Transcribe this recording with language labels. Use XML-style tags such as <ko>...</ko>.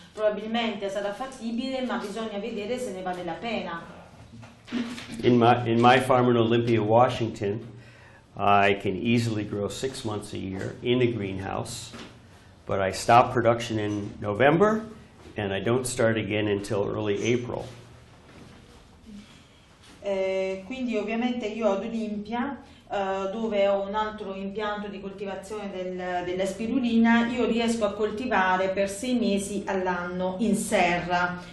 <it>Probabilmente sarà fattibile, ma bisogna vedere se ne vale la pena.</it> <en>In my farm in Olympia, Washington, I can easily grow 6 months a year in a greenhouse, but I stop production in November and I don't start again until early April.</en> <it>Quindi ovviamente io ad Olimpia, dove ho un altro impianto di coltivazione della spirulina, io riesco a coltivare per 6 mesi all'anno in serra.</it>